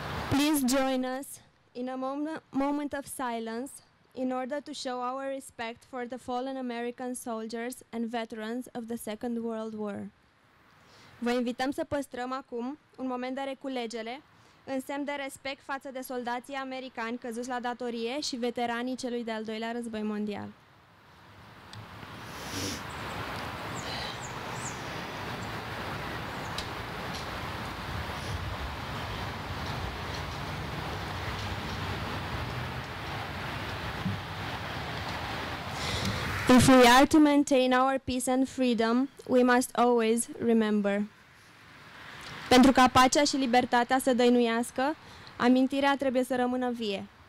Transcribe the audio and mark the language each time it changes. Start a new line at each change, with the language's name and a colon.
English: Please join us in a moment of silence in order to show our respect for the fallen American soldiers and veterans of the Second World War.
Romanian: Vă invităm să păstrăm acum un moment de reculegere în semn de respect față de soldații americani căzuți la datorie și veteranii celui de-al doilea război mondial.
English: If we are to maintain our peace and freedom, we must always remember.
Romanian: Pentru ca pacea și libertatea să dăinuiască, amintirea trebuie să rămână vie.